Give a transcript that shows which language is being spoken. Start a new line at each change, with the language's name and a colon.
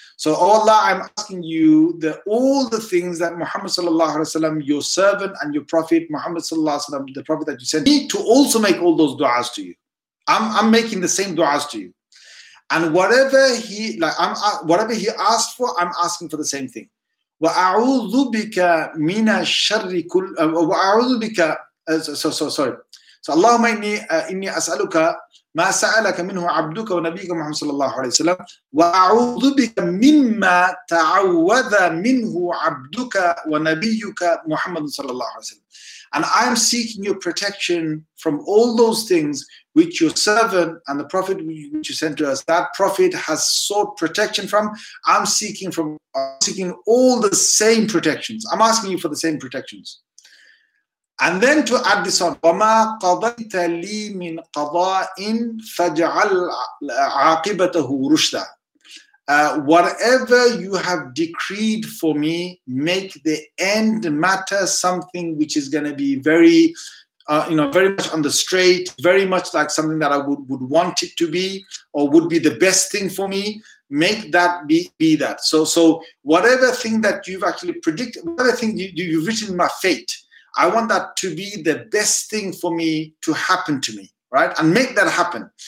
English: So, oh Allah, I'm asking you all the things that Muhammad sallallahu alaihi wasallam, your servant and your prophet, Muhammad sallallahu alaihi wasallam, the prophet that you sent, need to also make all those du'as to you. I'm making the same du'as to you, and whatever he asked for, I'm asking for the same thing.
Arabic: وَأَعُوذُ بِكَ مِنَ الشَّرِّ كُلِّ وَأَعُوذُ بِكَ So اللهم إني أسألك ما سألك منه عبدك ونبيك محمد صلى الله عليه وسلم وأعوذ بك مما تعوذ منه عبدك ونبيك محمد صلى الله عليه وسلم.
English: And I am seeking your protection from all those things which your servant and the prophet which you sent to us, that prophet has sought protection from. I'm seeking all the same protections. I'm asking you for the same protections. And then to add this on,
Arabic: وَمَا قَضَيْتَ لِي مِنْ قَضَاءٍ فَجْعَلْ عَاقِبَتَهُ رُشْدًا.
English: Whatever you have decreed for me, make the end matter something which is going to be very, very much on the straight, very much like something that I would want it to be, or would be the best thing for me. Make that be that. So whatever thing that you've actually predicted, whatever thing you've written in my fate, I want that to be the best thing for me to happen to me, right? And make that happen.